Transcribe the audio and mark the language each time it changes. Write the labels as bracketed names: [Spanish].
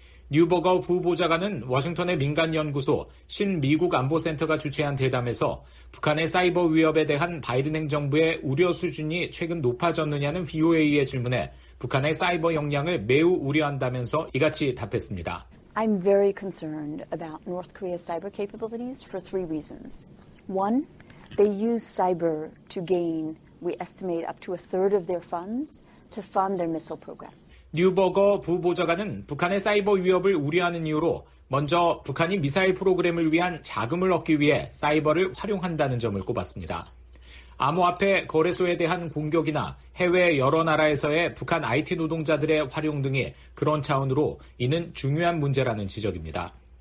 [Korean] 뉴버거 부보좌관은 워싱턴의 민간연구소 신미국안보센터가 주최한 대담에서 북한의 사이버 위협에 대한 바이든 행정부의 우려 수준이 최근 높아졌느냐는 VOA의 질문에 북한의 사이버 역량을 매우 우려한다면서 이같이 답했습니다. [English] I'm very concerned about North Korea's cyber capabilities for three reasons. One, they use cyber to gain, we estimate up to a third of their funds to fund their missile program. [Korean] 뉴버거 부보좌관은 북한의 사이버 위협을 우려하는 이유로 먼저 북한이 미사일 프로그램을 위한 자금을 얻기 위해 사이버를 활용한다는 점을 꼽았습니다. 암호화폐 거래소에 대한 공격이나 해외 여러 나라에서의 북한 IT 노동자들의 활용 등이 그런 차원으로 이는 중요한 문제라는 지적입니다.